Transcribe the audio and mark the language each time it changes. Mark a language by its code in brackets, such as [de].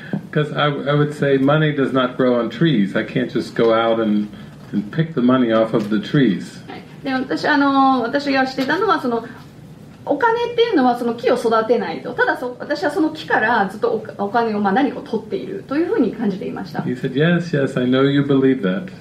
[en] Because I would say money does not grow on trees. I can't just go out and pick the money off of the trees. [ja] で、私がしてたのはお金っていうのはその木を育てないと。ただ私はその木からずっとお金をまあ何かを取っているというふうに感じていました。 [en] He said, yes, yes, I know you believe that.